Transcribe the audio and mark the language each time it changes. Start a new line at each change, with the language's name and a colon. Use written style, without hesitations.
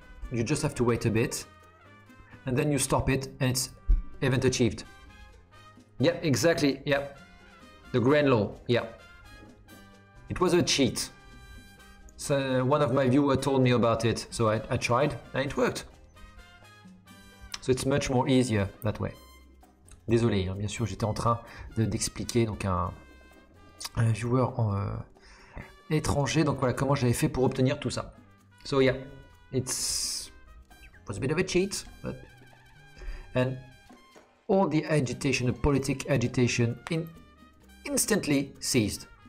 English: You just have to wait a bit and then you stop it and it's event achieved. Yeah, exactly. Yeah, the grand law. Yeah. It was a cheat. So one of my viewers told me about it, so I tried and it worked. So it's much more easier that way.
French: Désolé, hein, bien sûr, j'étais en train d'expliquer donc un viewer étranger. Donc voilà comment j'avais fait pour obtenir tout ça.
English: So yeah, it was a bit of a cheat, but and all the agitation, the politic agitation, instantly ceased.